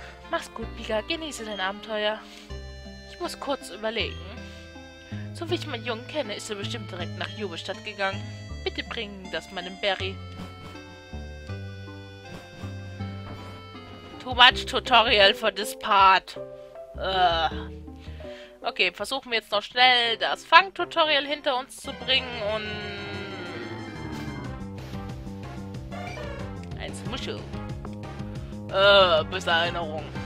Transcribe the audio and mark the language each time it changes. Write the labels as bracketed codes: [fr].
[de] Mach's gut, Pika. Genieße dein Abenteuer. Ich muss kurz überlegen. So wie ich meinen Jungen kenne, ist er bestimmt direkt nach Jubelstadt gegangen. Bitte bringen das meinem Barry. [en] Too much tutorial for this part. [de] Okay, versuchen wir jetzt noch schnell das Fang-Tutorial hinter uns zu bringen und... ein Smuschel. Böse Erinnerung.